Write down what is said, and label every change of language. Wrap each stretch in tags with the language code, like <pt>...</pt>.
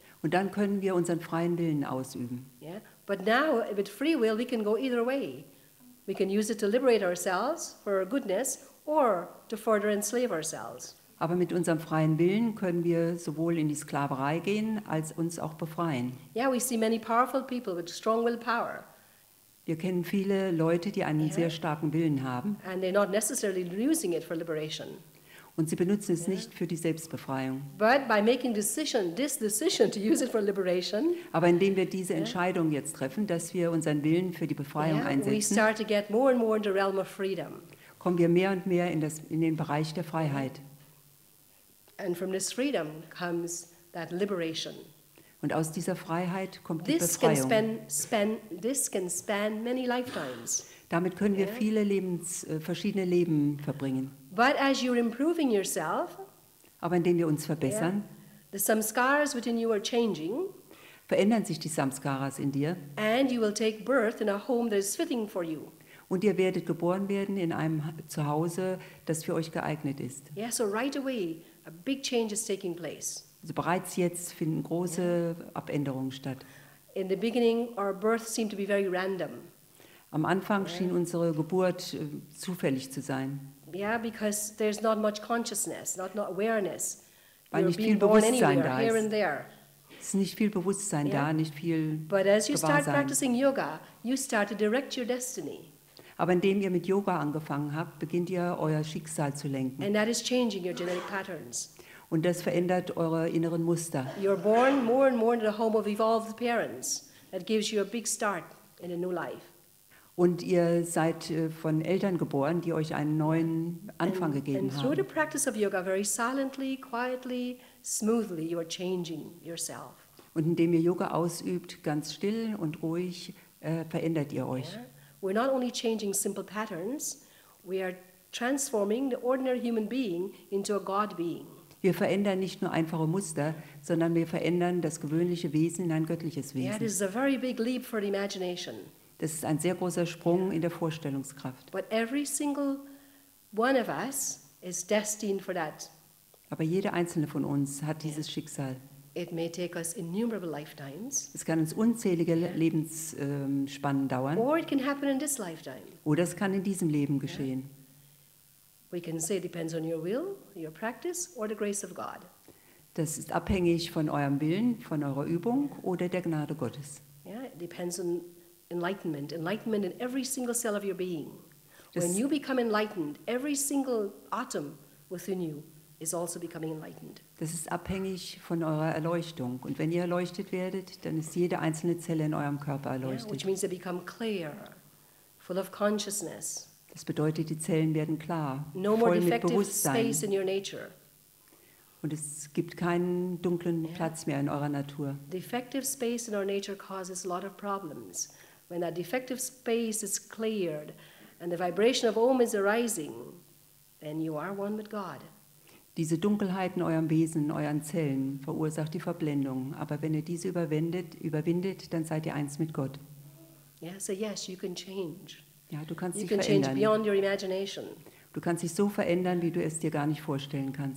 <de>Und dann können wir unseren freien Willen ausüben.</de> <en>Yeah? But now with free will we can go either way. We can use it to liberate ourselves for our goodness or to further enslave ourselves.</en> <de>Aber mit unserem freien Willen können wir sowohl in die Sklaverei gehen als uns auch befreien.</de> <en>Yeah, we see many powerful people with strong willpower.</en> <de>Wir kennen viele Leute, die einen sehr starken Willen haben.</de> <en>And they're not necessarily using it for liberation.</en> <de>Und sie benutzen es nicht für die Selbstbefreiung.</de> <en>But by making this decision to use it for liberation,</en> <de>aber indem wir diese Entscheidung jetzt treffen, dass wir unseren Willen für die Befreiung einsetzen,</de> <en>we start to get more and more in the realm of freedom.</en> <de>Kommen wir mehr und mehr in den Bereich der Freiheit.</de> <en>And from this freedom comes that liberation.</en> <de>Und aus dieser Freiheit kommt</de> <en>this</en> <de>die Befreiung.</de> <en>This can span many lifetimes.</en> <de>Damit können wir viele verschiedene Leben verbringen.</de> <en>But as you're improving yourself,</en> <de>aber indem wir uns verbessern,</de> <en>the samskaras within you are changing,</en> <de>verändern sich die Samskaras in dir,</de> <en>and you will take birth in a home that is fitting for you.</en> <de>Und ihr werdet geboren werden in einem Zuhause, das für euch geeignet ist.</de> <en>Yeah, so right away, a big change is taking place.</en> <de>Also bereits jetzt finden große Abänderungen statt.</de> <en>In the beginning, our birth seemed to be very random.</en> <de>Am Anfang schien unsere Geburt zufällig zu sein.</de> <en>Yeah, because there's not much consciousness, not awareness.</en> <de>Weil nicht viel Bewusstsein da ist.</de> <en>Here and there.</en> <de>Es ist nicht viel Bewusstsein da, nicht viel Gewahrsein.</de> <en>But as you start practicing yoga, you start to direct your destiny.</en> <de>Aber indem ihr mit Yoga angefangen habt, beginnt ihr euer Schicksal zu lenken.</de> <en>And that is changing your genetic patterns.</en> <de>Und das verändert eure inneren Muster.</de> <en>You're born more and more in the home of evolved parents. That gives you a big start in a new life.</en> <de>Und ihr seid von Eltern geboren, die euch einen neuen Anfang gegeben haben.</de> <en>And through the practice of yoga, very silently, quietly, smoothly, you are changing yourself.</en> <de>Und indem ihr Yoga ausübt, ganz still und ruhig, verändert ihr euch.</de> <en>Yeah. We're not only changing simple patterns, we are transforming the ordinary human being into a God being.</en> <de>Wir verändern nicht nur einfache Muster, sondern wir verändern das gewöhnliche Wesen in ein göttliches Wesen.</de> <en>Yeah, this is a very big leap for the imagination.</en> <de>Das ist ein sehr großer Sprung in der Vorstellungskraft.</de> <en>But every single one of us is destined for that.</en> <de>Aber jeder einzelne von uns hat dieses Schicksal.</de> <en>It may take us innumerable lifetimes.</en> <de>Es kann uns unzählige Lebensspannen dauern.</de> <en>Or it can happen in this lifetime.</en> <de>Oder es kann in diesem Leben geschehen.</de> <en>We can say it depends on your will, your practice, or the grace of God.</en> <de>Das ist abhängig von eurem Willen, von eurer Übung oder der Gnade Gottes.</de> <en>Yeah, it depends on enlightenment in every single cell of your being. Das when you become enlightened, every single atom within you is also becoming enlightened.</en> <de>Das ist abhängig von eurer Erleuchtung. Und wenn ihr erleuchtet werdet, dann ist jede einzelne Zelle in eurem Körper erleuchtet.</de> <en>Yeah, which means they become clear, full of consciousness.</en> <de>Das bedeutet, die Zellen werden klar,</de> <en>no</en> <de>voll mit Bewusstsein.</de> <en>Space in your nature.</en> <de>Und es gibt keinen dunklen Platz mehr in eurer Natur.</de> <en>Defective space in our nature causes a lot of problems. When that defective space is cleared and the vibration of Om is arising, then you are one with God.</en> <de>Diese Dunkelheit in eurem Wesen, in euren Zellen, verursacht die Verblendung. Aber wenn ihr diese überwindet, dann seid ihr eins mit Gott.</de> <en>Yeah, so yes, you can change.</en> <de>Ja, du kannst</de> <en>you</en> <de>dich</de> <en>can</en> <de>verändern.</de> <en>Change beyond your imagination.</en> <de>Du kannst dich so verändern, wie du es dir gar nicht vorstellen kannst.</de>